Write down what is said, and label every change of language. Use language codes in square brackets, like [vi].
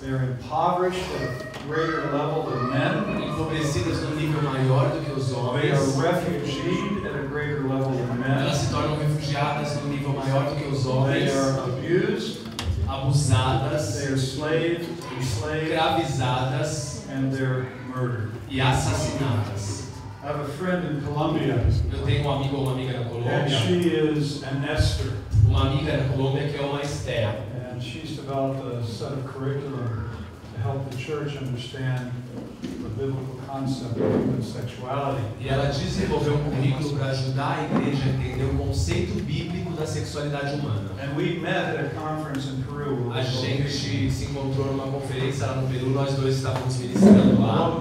[en] They are impoverished at a greater level than men. [pt] Empobrecidas num nível maior do que os homens. [en] They are refugeed at a greater level than men. [pt] Elas se tornam refugiadas num nível maior do que os homens. [en] They are abused. [pt] Abusadas. [en] They are slaves. Enslaved. [pt] Escravizadas. [en] And they're murdered. [pt] E assassinadas. [en] I have a friend in Colombia. [pt] Eu tenho um amigo ou uma amiga na Colômbia. [en] And she is an Esther. [pt] Uma amiga na Colômbia que é uma Esther. [en] And she's developed a set of curriculum to help the church understand the biblical concept of human sexuality. [pt] E ela desenvolveu um currículo para ajudar a igreja a entender o conceito bíblico da sexualidade humana. [en] And we met at a conference in Peru. [pt] A gente se encontrou numa conferência lá no Peru, nós dois estávamos ministrando lá.